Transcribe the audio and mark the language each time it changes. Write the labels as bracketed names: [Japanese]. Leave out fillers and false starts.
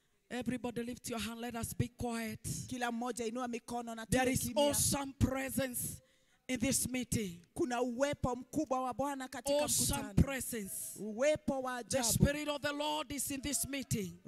[English] Everybody lift your hand. Let us be quiet. [Swahili] Kila mmoja inua mikono na tuwe kimya. [English] There is awesome presence in this meeting. [Swahili] Kuna uwepo mkubwa wa Bwana katika mkutano. [English] Awesome presence. [Swahili] Uwepo wa ajabu. [English] The Spirit of the Lord is in this meeting.